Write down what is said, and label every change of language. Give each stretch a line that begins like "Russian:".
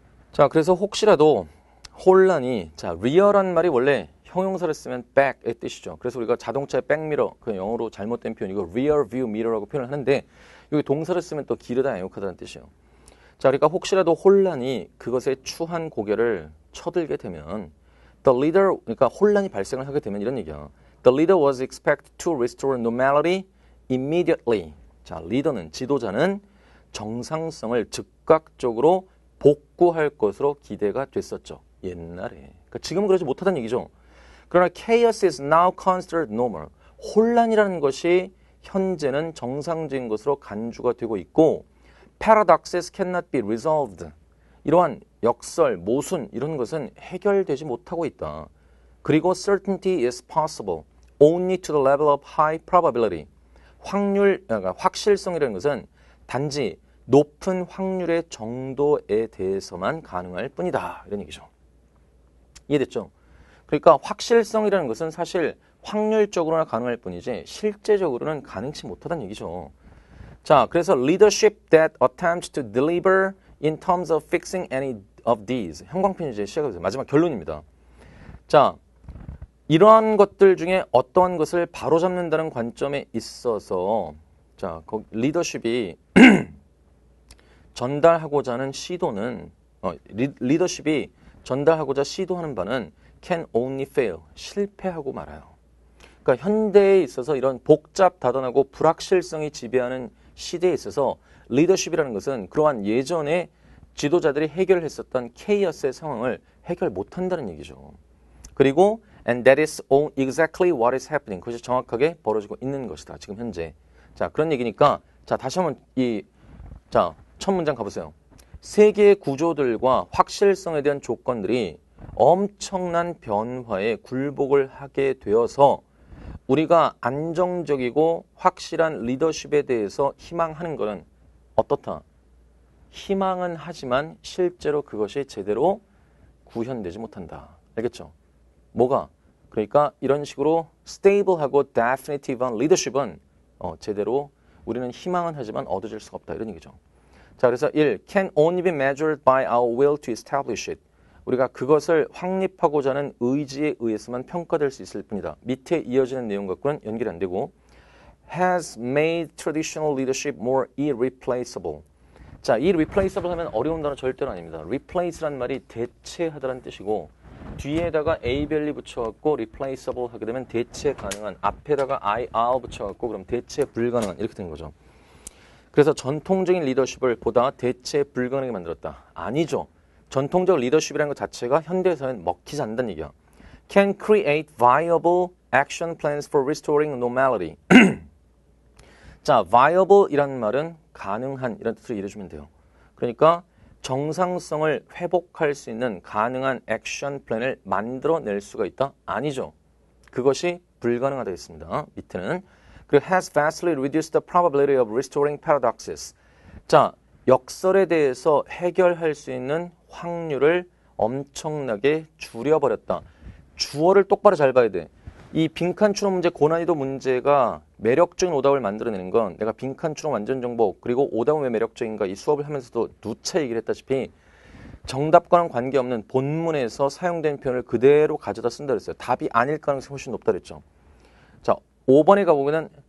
Korean: 자, 그래서 혹시라도 혼란이 자, rear란 말이 원래 형용사를 쓰면 back의 뜻이죠. 그래서 우리가 자동차의 backmirror, 그 영어로 잘못된 표현, 이거 rear view mirror라고 표현을 하는데 여기 동사를 쓰면 또 기르다, 애욕하다는 뜻이에요. 자, 그러니까 혹시라도 혼란이 그것의 추한 고개를 쳐들게 되면
English: the leader,
Korean: 그러니까 혼란이 발생을 하게 되면 이런 얘기야.
English: The leader was expected to restore normality immediately.
Korean: 자, 리더는, 지도자는 정상성을 즉각적으로 복구할 것으로 기대가 됐었죠. 옛날에. 그러니까 지금은 그러지 못하다는 얘기죠. 그러나
English: chaos is now considered normal.
Korean: 혼란이라는 것이 현재는 정상적인 것으로 간주가 되고 있고
English: paradoxes cannot be resolved.
Korean: 이러한 역설, 모순 이런 것은 해결되지 못하고 있다.
English: 그리고 certainty is possible only to the level of high probability.
Korean: 확률, 그러니까 확실성이라는 것은 단지 높은 확률의 정도에 대해서만 가능할 뿐이다. 이런 얘기죠. 이해됐죠? 그러니까 확실성이라는 것은 사실 확률적으로나 가능할 뿐이지 실제적으로는 가능치 못하다는 얘기죠.
English: 자, 그래서 leadership that attempts to deliver in terms of fixing any of these.
Korean: 형광펜 이제 시작하세요. 마지막 결론입니다. 자, 이러한 것들 중에 어떠한 것을 바로잡는다는 관점에 있어서 자, 리더십이 전달하고자 하는 시도는 리더십이 전달하고자 시도하는 바는
English: can only fail,
Korean: 실패하고 말아요. 그러니까 현대에 있어서 이런 복잡 다단하고 불확실성이 지배하는 시대에 있어서 리더십이라는 것은 그러한 예전에 지도자들이 해결했었던 케이어스의 상황을 해결 못한다는 얘기죠.
English: 그리고 and that is exactly what is happening.
Korean: 그것이 정확하게 벌어지고 있는 것이다. 지금 현재. 자, 그런 얘기니까 자, 다시 한번 이 자, 첫 문장 가보세요. 세계의 구조들과 확실성에 대한 조건들이 엄청난 변화에 굴복을 하게 되어서 우리가 안정적이고 확실한 리더십에 대해서 희망하는 것은 어떻다? 희망은 하지만 실제로 그것이 제대로 구현되지 못한다. 알겠죠? 뭐가? 그러니까 이런 식으로 stable하고 definitive한 리더십은 제대로 우리는 희망은 하지만 얻어질 수가 없다. 이런 얘기죠. 자, 그래서 1.
English: Can only be measured by our will to establish it.
Korean: 우리가 그것을 확립하고자 하는 의지에 의해서만 평가될 수 있을 뿐이다. 밑에 이어지는 내용과는 연결이 안 되고
English: has made traditional leadership more irreplaceable.
Korean: 자, irreplaceable 하면 어려운 단어 절대로 아닙니다. replace라는 말이 대체하다라는 뜻이고 뒤에다가 ably 붙여갖고 replaceable 하게 되면 대체 가능한 앞에다가 IR 붙여갖고 그럼 대체 불가능한 이렇게 된 거죠. 그래서 전통적인 리더십을 보다 대체 불가능하게 만들었다. 아니죠. 전통적 리더십이라는 것 자체가 현대에서는 먹히지 않는다는 얘기야.
English: Can create viable action plans for restoring normality.
Korean: 자, viable이라는 말은 가능한 이런 뜻으로 이해해주면 돼요. 그러니까 정상성을 회복할 수 있는 가능한 액션 플랜을 만들어낼 수가 있다? 아니죠. 그것이 불가능하다 했습니다. 밑에는.
English: 그리고 has vastly reduced the probability of restoring paradoxes.
Korean: 자, 역설에 대해서 해결할 수 있는 확률을 엄청나게 줄여버렸다. 주어를 똑바로 잘 봐야 돼. 이 빈칸 추론 문제, 고난이도 문제가 매력적인 오답을 만들어내는 건 내가 빈칸 추론 완전 정복 그리고 오답은 왜 매력적인가 이 수업을 하면서도 누차 얘기를 했다시피 정답과는 관계없는 본문에서 사용된 표현을 그대로 가져다 쓴다 그랬어요. 답이 아닐 가능성이 훨씬 높다 그랬죠. 자, 5번에 가보면